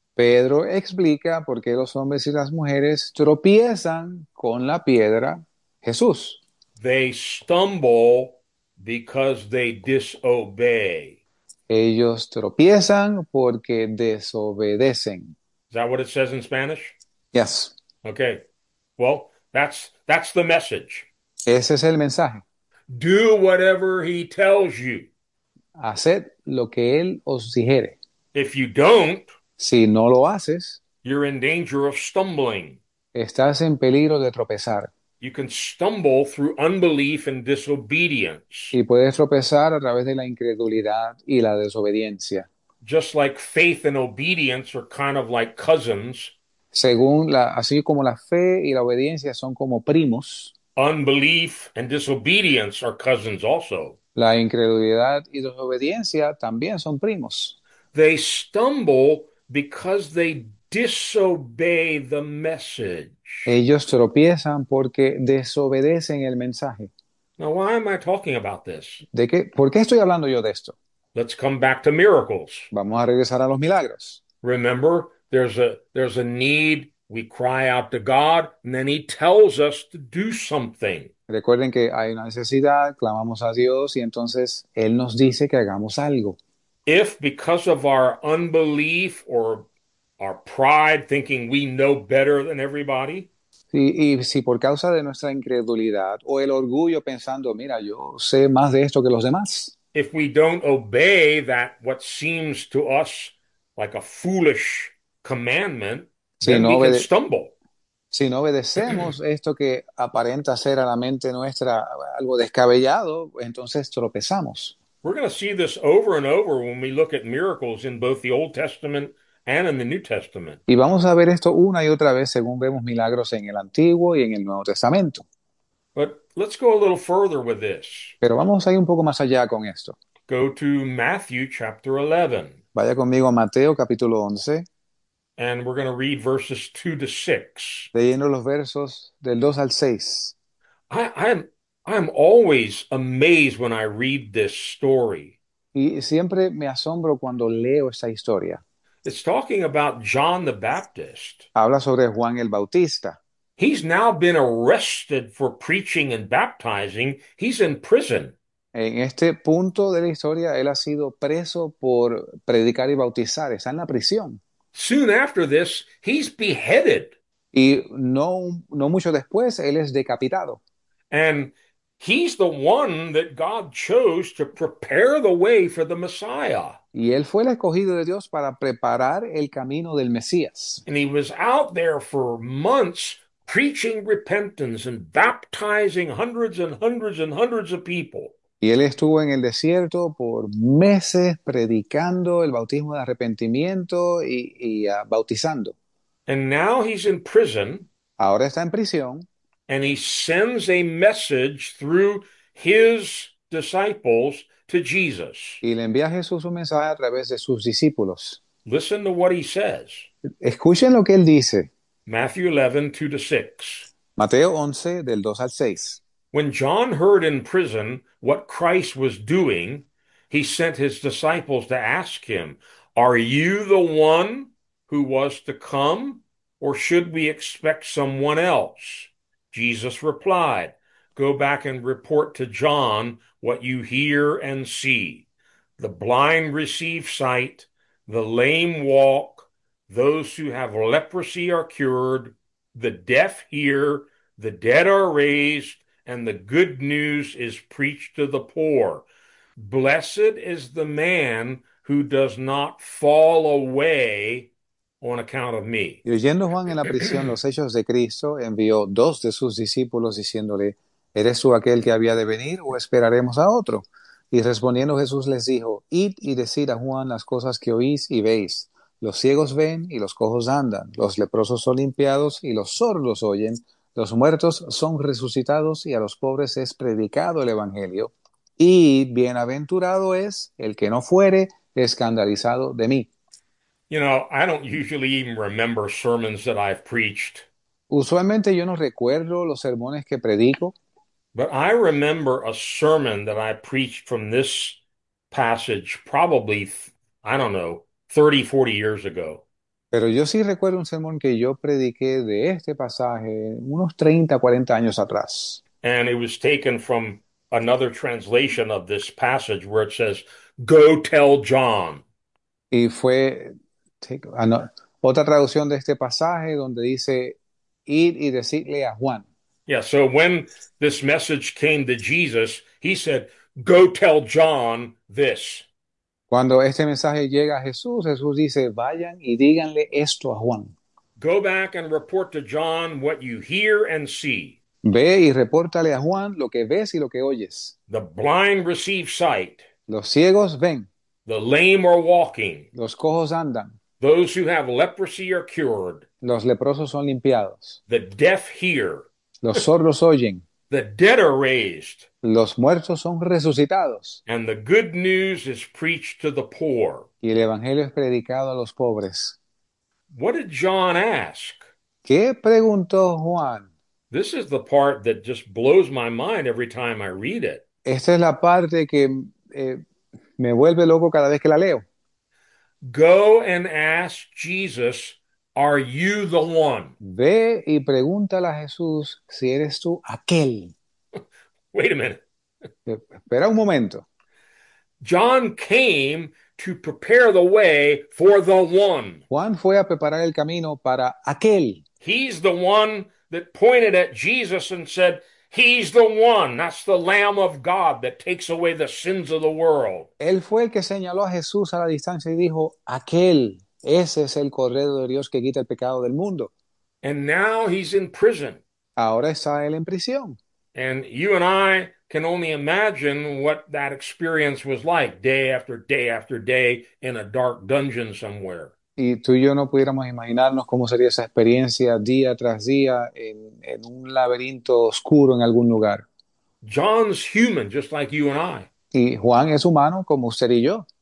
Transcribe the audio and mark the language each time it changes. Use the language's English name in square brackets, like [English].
[Spanish] Pedro explica por qué los hombres y las mujeres tropiezan con la piedra Jesús. [English] They stumble because they disobey. [Spanish] Ellos tropiezan porque desobedecen. [English] Is that what it says in Spanish? Yes. Okay. Well, that's the message. [Spanish] Ese es el mensaje. [English] Do whatever he tells you. [Spanish] Haced lo que él os dijere. [English] If you don't, [Spanish] Si no lo haces, [English] you're in danger of stumbling. [Spanish] estás en peligro de tropezar. [English] You can stumble through unbelief and disobedience. [Spanish] Y puedes tropezar a través de la incredulidad y la desobediencia. [English] Just like faith and obedience are kind of like cousins, [Spanish] Así como la fe y la obediencia son como primos, [English] unbelief and disobedience are cousins also. [Spanish] la incredulidad y desobediencia también son primos. [English] They stumble because they disobey the message. [Spanish] Ellos tropiezan porque desobedecen el mensaje. [English] Now, why am I talking about this? [Spanish] ¿Por qué estoy hablando yo de esto? [English] Let's come back to miracles. [Spanish] Vamos a regresar a los milagros. [English] Remember, there's a need. We cry out to God, and then He tells us to do something. [Spanish] Recuerden que hay una necesidad, clamamos a Dios y entonces Él nos dice que hagamos algo. [English] If because of our unbelief or our pride, thinking we know better than everybody, [Spanish] Y si por causa de nuestra incredulidad o el orgullo pensando, mira, yo sé más de esto que los demás. [English] if we don't obey that what seems to us like a foolish commandment, [Spanish] Si [English] then [Spanish] no [English] we can stumble. [Spanish] obedecemos esto que aparenta ser a la mente nuestra algo descabellado, entonces tropezamos. [English] We're going to see this over and over when we look at miracles in both the Old Testament and in the New Testament. [Spanish] Y vamos a ver esto una y otra vez según vemos milagros en el Antiguo y en el Nuevo Testamento. [English] But let's go a little further with this. [Spanish] Pero vamos a ir un poco más allá con esto. [English] Go to Matthew chapter 11. [Spanish] Vaya conmigo a Mateo capítulo 11, [English] And we're going to read verses 2 to 6. [Spanish] leyendo los versos del 2 al 6. [English] I'm always amazed when I read this story. [Spanish] Y siempre me asombro cuando leo esa historia. [English] It's talking about John the Baptist. [Spanish] Habla sobre Juan el Bautista. [English] He's now been arrested for preaching and baptizing. He's in prison. [Spanish] En este punto de la historia, él ha sido preso por predicar y bautizar. Está en la prisión. [English] Soon after this, he's beheaded. [Spanish] Y no mucho después, él es decapitado. [English] And he's the one that God chose to prepare the way for the Messiah. [Spanish] Y él fue el escogido de Dios para preparar el camino del Mesías. [English] And he was out there for months preaching repentance and baptizing hundreds and hundreds and hundreds of people. [Spanish] Y él estuvo en el desierto por meses predicando el bautismo de arrepentimiento bautizando. [English] And now he's in prison. [Spanish] Ahora está en prisión. [English] And he sends a message through his disciples to Jesus. [Spanish] Y le envía a Jesús un mensaje a través de sus discípulos. [English] Listen to what he says. [Spanish] Escuchen lo que él dice. [English] Matthew 11, 2 to 6. [Spanish] Mateo 11, del 2 al 6. [English] When John heard in prison what Christ was doing, he sent his disciples to ask him, "Are you the one who was to come, or should we expect someone else?" Jesus replied, "Go back and report to John what you hear and see. The blind receive sight, the lame walk, those who have leprosy are cured, the deaf hear, the dead are raised, and the good news is preached to the poor. Blessed is the man who does not fall away on account of me. [Spanish] Y oyendo Juan en la prisión los hechos de Cristo, envió dos de sus discípulos diciéndole, ¿eres tú aquel que había de venir o esperaremos a otro? Y respondiendo Jesús les dijo, id y decid a Juan las cosas que oís y veis. Los ciegos ven y los cojos andan, los leprosos son limpiados y los sordos oyen, los muertos son resucitados y a los pobres es predicado el Evangelio. Y bienaventurado es el que no fuere escandalizado de mí. [English] I don't usually even remember sermons that I've preached. [Spanish] Usualmente yo no recuerdo los sermones que predico. [English] But I remember a sermon that I preached from this passage probably, I don't know, 30, 40 years ago. [Spanish] Pero yo sí recuerdo un sermón que yo prediqué de este pasaje unos 30, 40 años atrás. [English] And it was taken from another translation of this passage where it says, Go tell John. [Spanish] Y fue otra traducción de este pasaje donde dice, ir y decirle a Juan. [English] Yeah, so when this message came to Jesus, he said, Go tell John this. [Spanish] Cuando este mensaje llega a Jesús, Jesús dice, vayan y díganle esto a Juan. [English] Go back and report to John what you hear and see. [Spanish] Ve y repórtale a Juan lo que ves y lo que oyes. [English] The blind receive sight. [Spanish] Los ciegos ven. [English] The lame are walking. [Spanish] Los cojos andan. [English] Those who have leprosy are cured. [Spanish] Los leprosos son limpiados. [English] The deaf hear. [Spanish] Los sordos oyen. [English] The dead are raised, [Spanish] Los muertos son resucitados. [English] and the good news is preached to the poor. [Spanish] Y el Evangelio es predicado a los pobres. [English] What did John ask? [Spanish] ¿Qué preguntó Juan? [English] This is the part that just blows my mind every time I read it. [Spanish] Esta es la parte que me vuelve loco cada vez que la leo. [English] Go and ask Jesus, are you the one? [Spanish] Ve y pregúntale a Jesús si eres tú aquel. [English] Wait a minute. [Spanish] Espera un momento. [English] John came to prepare the way for the one. [Spanish] Juan fue a preparar el camino para aquel. [English] He's the one that pointed at Jesus and said, He's the one. That's the Lamb of God that takes away the sins of the world. [Spanish] Él fue el que señaló a Jesús a la distancia y dijo, aquel, ese es el Cordero de Dios que quita el pecado del mundo. [English] And now he's in prison. [Spanish] Ahora está él en prisión. [English] And you and I can only imagine what that experience was like day after day after day in a dark dungeon somewhere. [Spanish] Y tú y yo no pudiéramos imaginarnos cómo sería esa experiencia día tras día en un laberinto oscuro en algún lugar. [English] John's human, just like you and I. [Spanish] Y Juan es humano como usted y yo.